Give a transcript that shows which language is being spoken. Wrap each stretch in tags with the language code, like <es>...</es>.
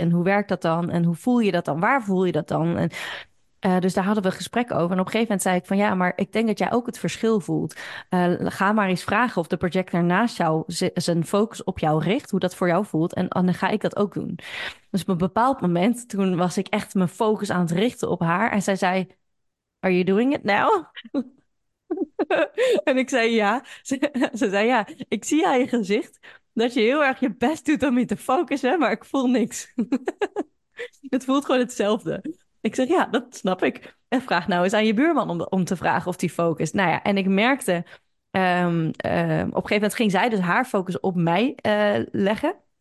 <nl>En hoe werkt dat dan? En hoe voel je dat dan? Waar voel je dat dan? En dus daar hadden we gesprek over. En op een gegeven moment zei ik van, ja, maar ik denk dat jij ook het verschil voelt. Ga maar eens vragen of de projector naast jou zijn focus op jou richt. Hoe dat voor jou voelt. En dan ga ik dat ook doen. Dus op een bepaald moment, toen was ik echt mijn focus aan het richten op haar. En zij zei,</nl> <en>are you doing it now?</en> <nl>En ik zei ja. Ze zei ja, ik zie aan je gezicht dat je heel erg je best doet om je te focussen, maar ik voel niks. Het voelt gewoon hetzelfde. Ik zeg ja, dat snap ik. En vraag nou eens aan je buurman om te vragen of die focust. Nou ja, en ik merkte, op een gegeven moment ging zij dus haar focus op mij leggen.</nl>